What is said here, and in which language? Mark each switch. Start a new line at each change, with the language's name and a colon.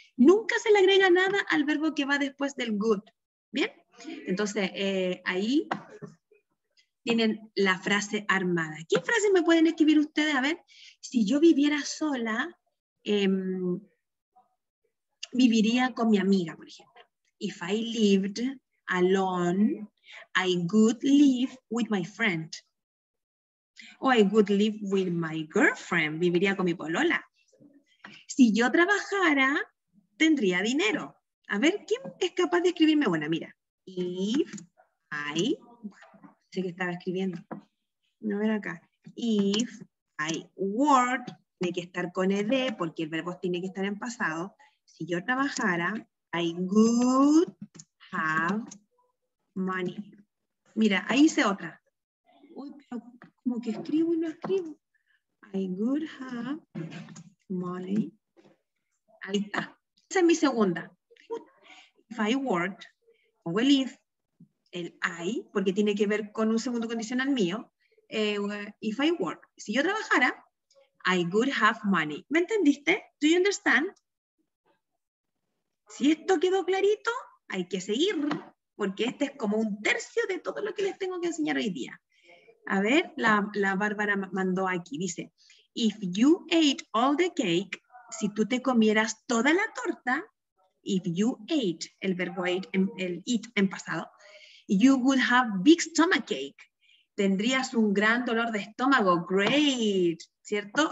Spanish: Nunca se le agrega nada al verbo que va después del good. ¿Bien? Entonces, ahí tienen la frase armada. ¿Qué frase me pueden escribir ustedes? A ver, si yo viviera sola, viviría con mi amiga, por ejemplo.
English: If I lived alone, I could live with my friend. Oh, I would live with my girlfriend.
Spanish: Viviría con mi polola. Si yo trabajara, tendría dinero. A ver, ¿quién es capaz de escribirme una? Mira.
English: If I...
Spanish: Sé que estaba escribiendo. No, ver acá.
English: If I worked,
Spanish: tiene que estar con ed, porque el verbo tiene que estar en pasado. Si yo trabajara,
English: I would have money.
Spanish: Mira, ahí hice otra. Uy, pero... Como que escribo y no escribo.
English: I could have money.
Spanish: Ahí está. Esa es mi segunda.
English: If I worked,
Spanish: pongo el if, el I, porque tiene que ver con un segundo condicional mío.
English: If I worked,
Spanish: si yo trabajara,
English: I could have money.
Spanish: ¿Me entendiste?
English: Do you understand?
Spanish: Si esto quedó clarito, hay que seguir, porque este es como un tercio de todo lo que les tengo que enseñar hoy día. A ver, la Bárbara mandó aquí, dice,
English: if you ate all the cake,
Spanish: si tú te comieras toda la torta,
English: if you ate,
Spanish: el verbo ate, el eat en pasado,
English: you would have big stomachache,
Spanish: tendrías un gran dolor de estómago,
English: great,
Spanish: ¿cierto?